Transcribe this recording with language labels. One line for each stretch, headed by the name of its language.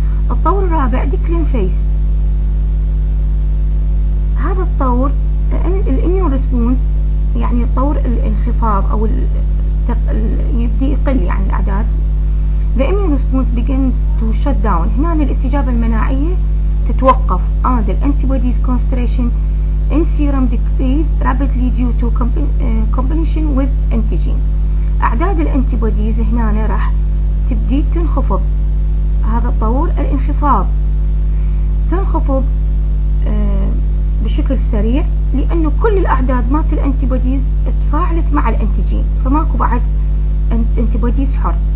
Arabic: الطور الرابع ديكلين فيس، هذا الطور الاميون ريسبونس يعني الطور الانخفاض او يبدي يقل يعني الاعداد.
English: The immune response begins to shut down.
Arabic: هنا الاستجابة المناعية تتوقف.
English: And the antibodies concentration in serum decrease rapidly due to combination with antigen.
Arabic: أعداد الانتيبوديز هنا راح تبدي تنخفض، هذا طور الانخفاض، تنخفض بشكل سريع لأن كل الأعداد مات الانتيبوديز تفاعلت مع الانتيجين، فماكو بعد انتيبوديز حر.